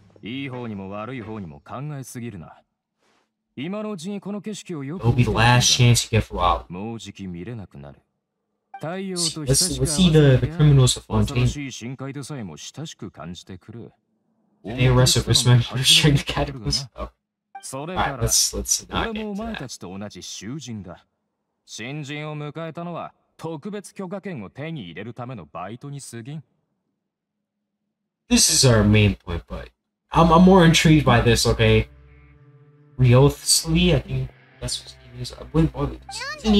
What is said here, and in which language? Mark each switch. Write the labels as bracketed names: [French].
[English] It'll be the last chance you get for Rob. Let's see the criminals of Fontaine. And they arrested this man for sharing the catacombs. [Japanese] それから、俺もお前たちと同じ囚人だ。新人を迎えたのは特別許可権を手に入れるためのバイトに過ぎん。 [English] This is our main point, but I'm more intrigued by this. Okay, Riothsley, I think that's what his name is.